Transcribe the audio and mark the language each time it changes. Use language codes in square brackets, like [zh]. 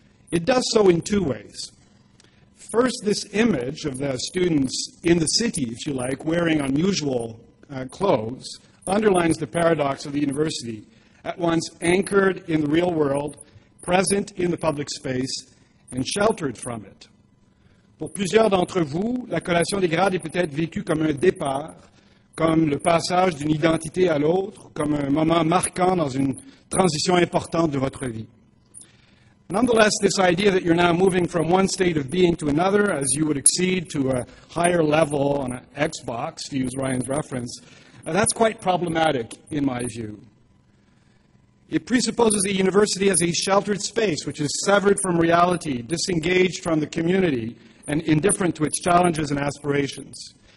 [en] It does so in two ways. First, this image of the students in the city, if you like, wearing unusual clothes, underlines the paradox of the university, at once anchored in the real world, present in the public space, and sheltered from it. [fr] Pour plusieurs d'entre vous, la collation des grades est peut-être vécue comme un départ, comme le passage d'une identité à l'autre, comme un moment marquant dans une transition importante de votre vie. [en] Nonetheless, this idea that you're now moving from one state of being to another, as you would accede to a higher level on an Xbox, to use Ryan's reference, that's quite problematic in my view. It presupposes the university as a sheltered space, which is severed from reality, disengaged from the community, and indifferent to its challenges and aspirations.